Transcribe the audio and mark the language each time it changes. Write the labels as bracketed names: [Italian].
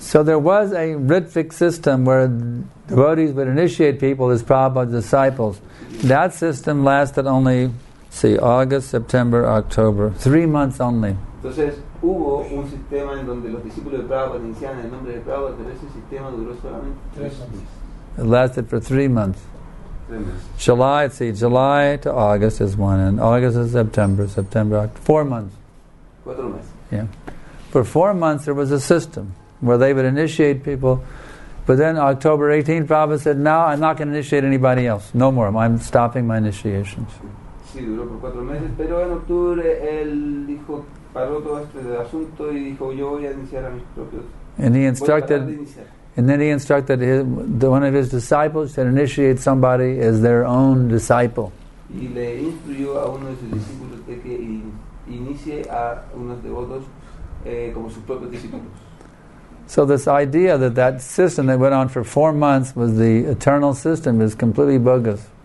[English] So there was a Ritvic system where devotees would initiate people as Prabhupada's disciples. That system lasted only, August, September, October, 3 months only. [Spanish] Entonces hubo un sistema en donde los discípulos de Prabhupada iniciaban el nombre de Prabhupada, pero ese sistema duró solamente 3 [English] months. It lasted for 3 months. July to August is one, and August is September. September, 4 months. 4 months. Yeah, for 4 months there was a system where they would initiate people, but then October 18th, Prabhupada said, "Now I'm not going to initiate anybody else. No more. I'm stopping my initiations." [Spanish] Sí, duró por 4 meses, pero en octubre él dijo paró todo este asunto y dijo yo voy a iniciar a mis propios. [English] And he instructed. And then he instructed one of his disciples to initiate somebody as their own disciple. Mm-hmm. So this idea that that system that went on for 4 months was the eternal system is completely bogus.